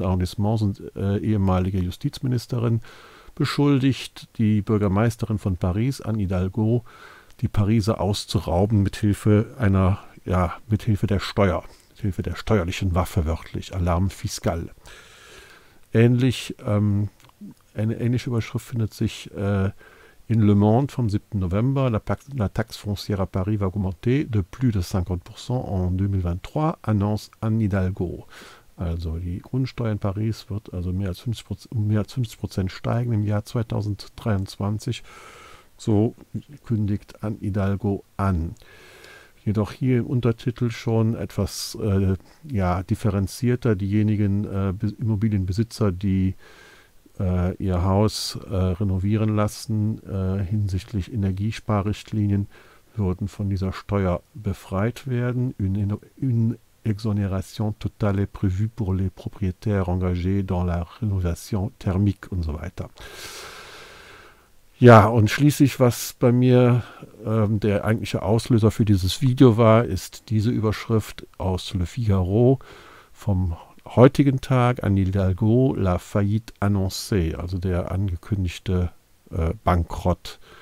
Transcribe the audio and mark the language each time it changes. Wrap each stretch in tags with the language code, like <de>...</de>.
<de>Arrondissements und ehemalige Justizministerin, beschuldigt die Bürgermeisterin von Paris, Anne Hidalgo, die Pariser auszurauben mithilfe der steuerlichen Waffe, wörtlich, Alarm Fiscal. Eine ähnliche Überschrift findet sich in Le Monde vom 7. November.</de> <fr>La taxe foncière à Paris va augmenter de plus de 50% en 2023, annonce Anne Hidalgo.</fr> <de>Also die Grundsteuer in Paris wird also mehr als 50% steigen im Jahr 2023. So kündigt Anne Hidalgo an. Jedoch hier im Untertitel schon etwas differenzierter. Diejenigen Immobilienbesitzer, die ihr Haus renovieren lassen hinsichtlich Energiesparrichtlinien, würden von dieser Steuer befreit werden.</de> <fr>Une exonération totale est prévue pour les propriétaires engagés dans la rénovation thermique</fr> <de>und so weiter. Ja, und schließlich, was bei mir der eigentliche Auslöser für dieses Video war, ist diese Überschrift aus Le Figaro vom heutigen Tag, Anne Hidalgo,</de> <fr>la faillite annoncée,</fr> <de>also der angekündigte Bankrott.</de>